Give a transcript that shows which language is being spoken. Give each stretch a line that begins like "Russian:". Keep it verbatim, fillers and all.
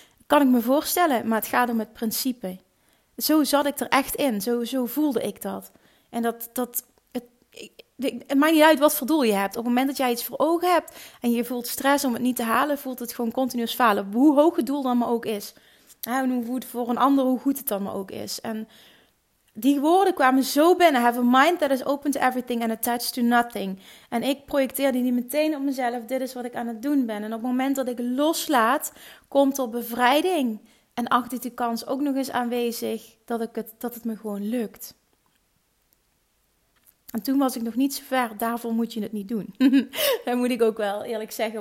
Dutch: Kan ik me voorstellen, maar het gaat om het principe. Zo zat ik er echt in, zo, zo voelde ik dat. En dat, dat het, het maakt niet uit wat voor doel je hebt. Op het moment dat jij iets voor ogen hebt en je voelt stress om het niet te halen, voelt het gewoon continu falen. Hoe hoog het doel dan maar ook is. En hoe goed voor een ander, hoe goed het dan maar ook is. En die woorden kwamen zo binnen.
English: Have a mind that is open to everything and attached to nothing.
Dutch: En ik projecteerde die meteen op mezelf. Dit is wat ik aan het doen ben. En op het moment dat ik loslaat, komt er bevrijding. En acht ik de kans ook nog eens aanwezig dat, ik het, dat het me gewoon lukt. En toen was ik nog niet zo ver. Daarvoor moet je het niet doen. Dat moet ik ook wel eerlijk zeggen.